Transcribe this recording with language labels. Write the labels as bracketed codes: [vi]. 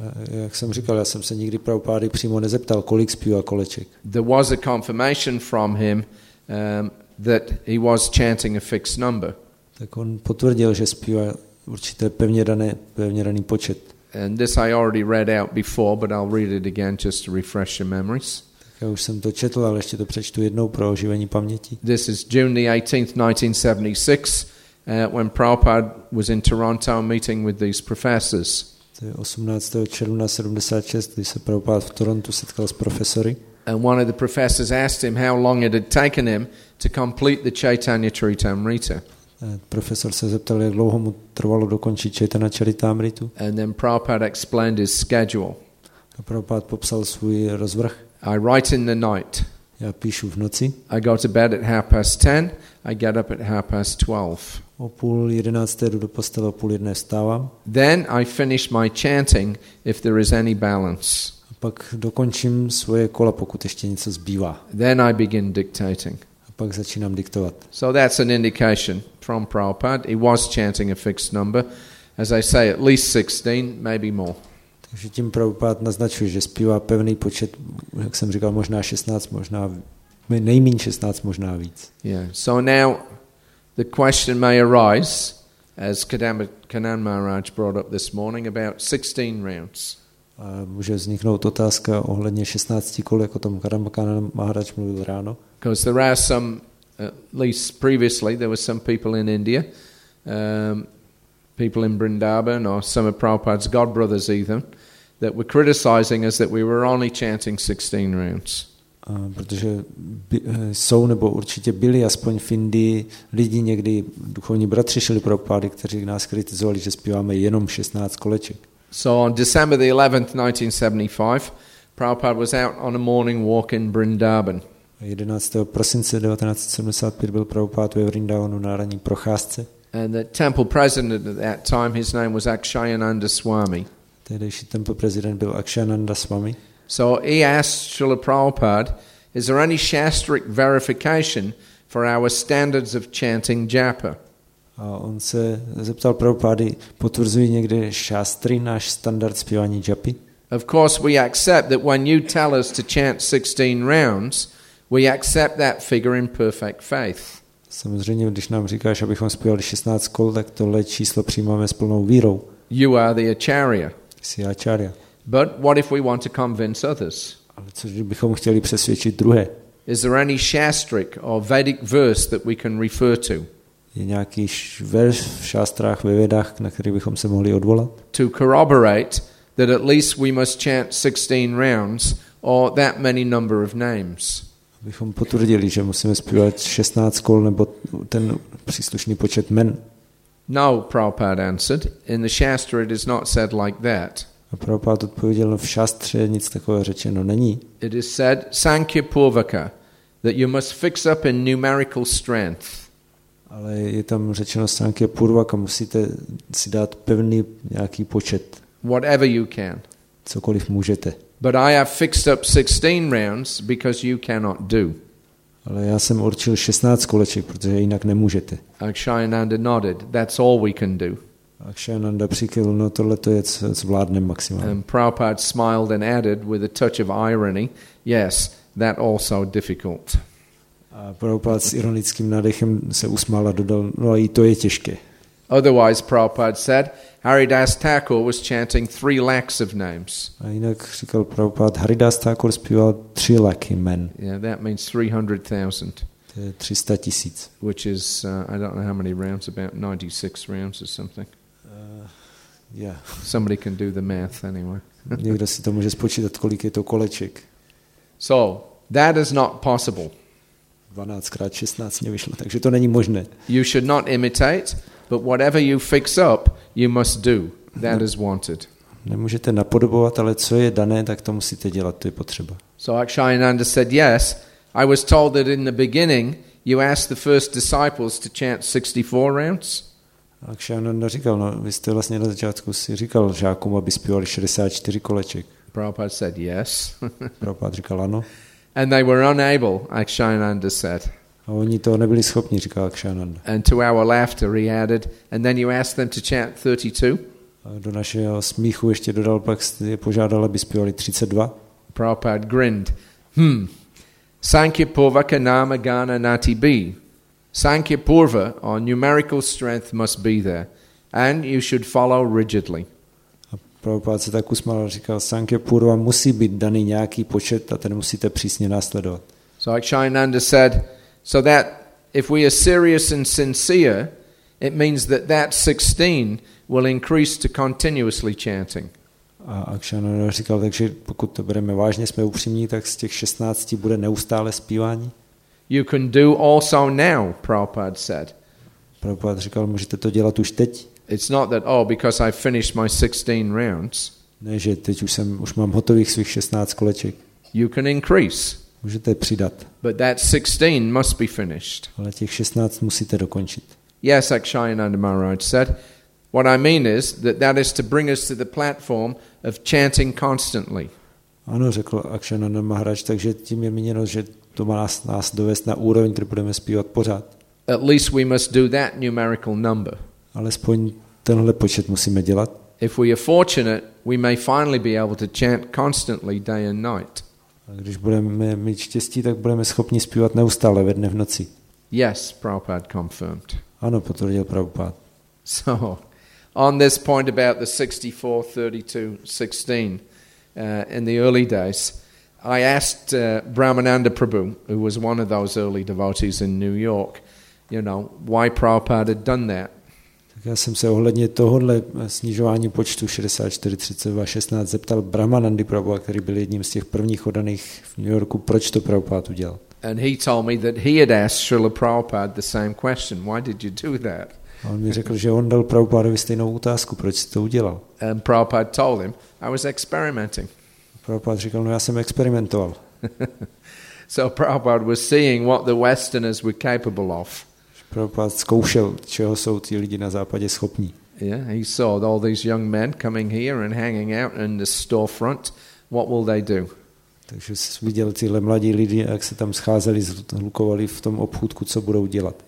[cs] Jak jsem říkal, já jsem se nikdy Prabhupády přímo nezeptal, kolik zpívá koleček. [en] There was a confirmation from him that he was chanting a fixed number. [cs] Tak on potvrdil, že zpívá určité pevně daný počet. [en] And this I already read out before, but I'll read it again just to refresh your memories. [cs] Tak já už jsem to četl, ale ještě to přečtu jednou pro oživení paměti. [en] This is June the 18th, 1976, when Prabhupada was in Toronto meeting with these professors. [cs] To je 18. června 76, kdy se Prabhupada v Torontu setkal s profesory. [en] And one of the professors asked him how long it had taken him to complete the Chaitanya Charitamrita. [cs] Profesor se zeptal, jak dlouho mu trvalo dokončit Chaitanya Charitamritu. [en] And then Prabhupada explained his schedule. [cs] A Prabhupada popsal svůj rozvrh. [en] I write in the night. [cs] Já píšu v noci. [en] I go to bed at 10:30. I get up at 12:30. [cs] O půl jedenácté jdu do postele, o půl jedné vstávám. [en] Then I finish my chanting if there is any balance. [cs] A pak dokončím svoje kola, pokud ještě něco zbývá. [en] Then I begin dictating. [cs] A pak začínám diktovat. [en] So that's an indication from Prabhupada. He was chanting a fixed number. As I say, at least 16, maybe more. [cs] Takže tím Prabhupada naznačuje, že zpívá pevný počet, jak jsem říkal, možná 16, možná nejméně 16, možná víc. [en] Yeah. So now the question may arise, as Kanan Maharaj brought up this morning, about 16 rounds. [cs] Může vzniknout otázka ohledně 16 kolek, o tom Kanan Maharaj mluvil ráno. [en] Because there are some, at least previously, there were some people in India, people in Vrindavan or some of Prabhupada's godbrothers even, that were criticizing us that we were only chanting 16 rounds. [cs] Protože jsou nebo určitě byli aspoň v Indii lidi někdy, duchovní bratři šli pro pády, kteří nás kritizovali, že zpíváme jenom 16 koleček. [en] So on December the 11th, 1975, Prabhupada was out on a morning walk in Vrindavan. [cs] 11. prosince 1975 byl Prabhupada ve Vrindavanu na ranní procházce. [en] And the temple president at that time, his name was Akshayananda Swami. [cs] Tehdejší [en] temple president [cs] byl Akshayananda Swami. [en] So he asked Srila Prabhupada, is there any shastric verification for our standards of chanting japa? [cs] A on se zeptal Prabhupady, potvrzují někde šastry náš standard zpívání japy? [en] Of course we accept that when you tell us to chant 16 rounds, we accept that figure in perfect faith. [cs] Samozřejmě, když nám říkáš, abychom zpívali 16 kol, tak tohle číslo přijímáme s plnou vírou. [en] You are the acharya. [cs] Jsi acharya. [en] But what if we want to convince others? [cs] Ale co bychom chtěli přesvědčit druhé? [en] Is there any shastric or Vedic verse that we can refer to? [cs] Je nějaký verš v šástrách, ve Vedách, na který bychom se mohli odvolat? [en] To corroborate that at least we must chant 16 rounds or that many number of names. [cs] Abychom potvrdili, že musíme zpívat 16 kol nebo ten příslušný počet men. [en] No, Prabhupada answered. In the shastra it is not said like that. [cs] A Prabhupada odpověděl, v šastře nic takového řečeno není. [en] It is said sankhya purvaka that you must fix up in numerical strength. [cs] Ale je tam řečeno sankhya purvaka, musíte si dát pevný nějaký počet. [en] Whatever you can. [cs] Cokoliv můžete. [en] But I have fixed up 16 rounds because you cannot do. [cs] Ale já jsem určil 16 koleček, protože jinak nemůžete. [en] Akshayananda nodded. That's all we can do. [cs] Akshayananda přikyl, no tohle to je zvládnem maximálně. [en] And Prabhupada smiled and added with a touch of irony, yes, that also difficult. [cs] A Prabhupada s ironickým nádechem se usmál a dodal, no a i to je těžké. [en] Otherwise, Prabhupada said, Haridas Thakur was chanting 3 lakhs of names. [cs] A jinak říkal Prabhupada, Haridas Thakur zpíval 3 lakh jmen. [en] Yeah, that means 300,000. To je 300 tisíc. Which is, I don't know how many rounds, about 96 rounds or something. Yeah. Somebody can do the math anyway. [cs] Někdo si to může spočítat, kolik je to koleček. [en] So, that is not possible. [cs] 12x16 mě vyšlo, takže to není možné. [en] You should not imitate. But whatever you fix up, you must do. That is wanted. [cs] Nemůžete napodobovat, ale co je dané, tak to musíte dělat, to je potřeba. [en] So Akshayananda said, yes, I was told that in the beginning, you asked the first disciples to chant 64 rounds. [cs] Akshayananda říkal, no, vy jste vlastně na začátku si říkal žákům, aby zpívali 64 koleček. [en] Prabhupada said, yes. [cs] Prabhupada říkal, ano. [en] And they were unable, Akshayananda said. [cs] A oni to nebyli schopni, říká Akshayananda. [en] And to our laughter, he added, and then you asked them to chant 32. [cs] A do našeho smíchu ještě dodal, pak je požádal, aby zpívali 32. [en] Prabhupada grinned. [sa] Sankipurvaka nama gana nati bi. [en] Sankipurva, or numerical strength, must be there. And you should follow rigidly. [cs] A Prabhupada se tak usmál a říkal, Sankipurva musí být daný nějaký počet a ten musíte přísně následovat. [en] So Akshayananda said, so that if we are serious and sincere, it means that that 16 will increase to continuously chanting. [cs] A Akshayananda říkal, takže pokud to bereme vážně, jsme upřímní, tak z těch 16 bude neustále zpívání. [en] You can do also now, Prabhupada said. [cs] Prabhupada říkal, můžete to dělat už teď. [en] It's not that, oh, because I finished my 16 rounds. [cs] Ne, že teď už mám hotových svých 16 koleček. [en] You can increase. [cs] Můžete přidat. [en] But that 16 must be finished. [cs] Ale těch 16 musíte dokončit. [en] Yes, Akshayananda Maharaj said, what I mean is that that is to bring us to the platform of chanting constantly. [cs] Ano, řekl Akshayananda Maharaj, takže tím je míněno, že to má nás dovést na úroveň, kde budeme zpívat pořád. [en] At least we must do that numerical number. [cs] Alespoň tenhle počet musíme dělat. [en] If we are fortunate, we may finally be able to chant constantly day and night. [cs] A když budeme mít štěstí, tak budeme schopni zpívat neustále ve dne v noci. [en] Yes, Prabhupada confirmed. [cs] Ano, potvrdil Prabhupada. [en] So, on this point about the 64, 32, 16 in the early days, I asked Brahmananda Prabhu, who was one of those early devotees in New York, you know, why Prabhupada had done that. [cs] Tak já jsem se ohledně tohohle snižování počtu 64, 32, 16 zeptal Brahmanandy Prabhupada, který byl jedním z těch prvních odaných v New Yorku, proč to Prabhupada udělal. [en] And he told me that he had asked Srila Prabhupada the same question. Why did you do that? [cs] A on mi řekl, že on dal Prabhupadovi stejnou otázku, proč jsi to udělal. [en] And Prabhupada told him, I was experimenting. [cs] Prabhupada říkal, no já jsem experimentoval. [en] So Prabhupada was seeing what the Westerners were capable of. [cs] Prabhupada zkoušel, čeho jsou ti lidi na západě schopní. [en] Yeah, he saw all these young men coming here and hanging out in the storefront. What will they do? [cs] Takže viděl tyhle mladí lidi, jak se tam scházeli, zhlukovali v tom obchůdku, co budou dělat.